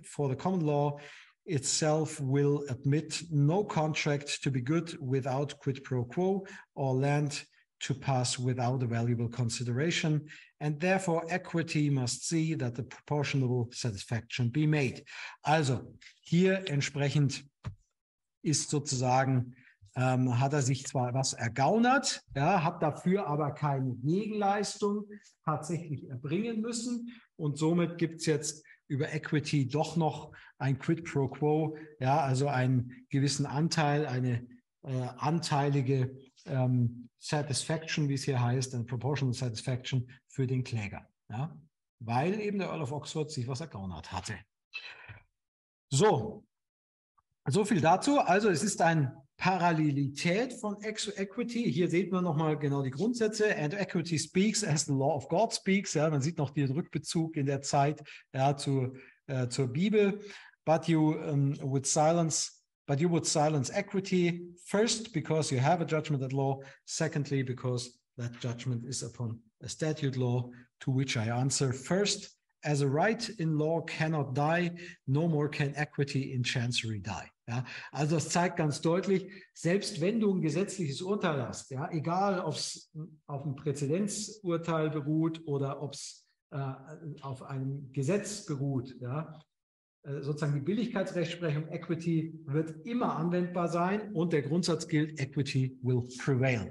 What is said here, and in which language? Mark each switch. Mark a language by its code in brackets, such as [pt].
[en] For the common law itself will admit no contract to be good without quid pro quo, or land to pass without a valuable consideration, and therefore equity must see that the proportionable satisfaction be made. [de] Also hier entsprechend ist sozusagen, hat er sich zwar was ergaunert, ja, hat dafür aber keine Gegenleistung tatsächlich erbringen müssen und somit gibt es jetzt über Equity doch noch ein Quid pro quo, ja, also einen gewissen Anteil, eine anteilige Satisfaction, wie es hier heißt, eine Proportional Satisfaction für den Kläger, ja, weil eben der Earl of Oxford sich was ergaunert hatte. So viel dazu. Also es ist ein Parallelität von Equity. Hier sieht man nochmal genau die Grundsätze. [en] And equity speaks as the law of God speaks. [de] Ja, man sieht noch den Rückbezug in der Zeit, ja, zur Bibel. [en] But you would silence equity first because you have a judgment at law. Secondly, because that judgment is upon a statute law, to which I answer first. As a right in law cannot die, no more can equity in chancery die. [de] Ja, also das zeigt ganz deutlich, selbst wenn du ein gesetzliches Urteil hast, ja, egal ob es auf einem Präzedenzurteil beruht oder ob es auf einem Gesetz beruht, ja, sozusagen die Billigkeitsrechtsprechung Equity wird immer anwendbar sein und der Grundsatz gilt, [en] Equity will prevail.